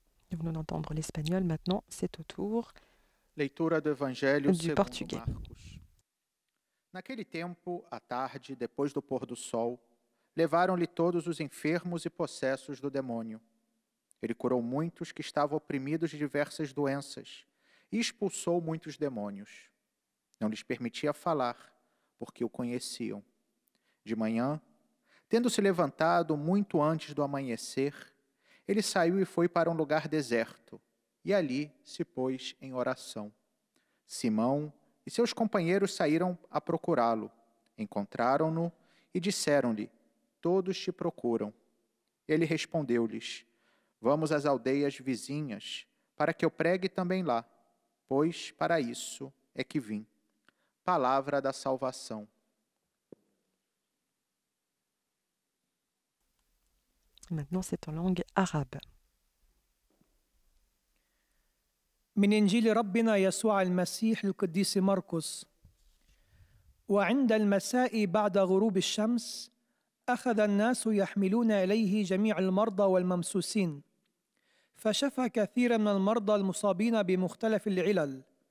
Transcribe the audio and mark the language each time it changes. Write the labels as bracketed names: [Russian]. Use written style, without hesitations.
[French] Nous venons d'entendre l'espagnol, maintenant c'est au tour [Portuguese] Leitura do Evangelho [French] du portugais. [Portuguese] Marcos. Naquele tempo, à tarde, depois do pôr do sol, levaram-lhe todos os enfermos e possessos do demônio. Ele curou muitos que estavam oprimidos de diversas doenças e expulsou muitos demônios. Não lhes permitia falar, porque o conheciam. De manhã, tendo-se levantado muito antes do amanhecer, ele saiu e foi para um lugar deserto, e ali se pôs em oração. Simão e seus companheiros saíram a procurá-lo. Encontraram-no e disseram-lhe, todos te procuram. Ele respondeu-lhes, vamos às aldeias vizinhas, para que eu pregue também lá, pois para isso é que vim. Palavra da salvação. [French] Maintenant, c'est en langue arabe. [Arabic] من إنجيل ربنا يسوع المسيح القديس ماركوس. وعند المساء بعد غروب الشمس أخذ الناس يحملون إليه جميع المرضى والممسوسين. فشفى كثيرا من المرضى المصابين بمختلف العلل.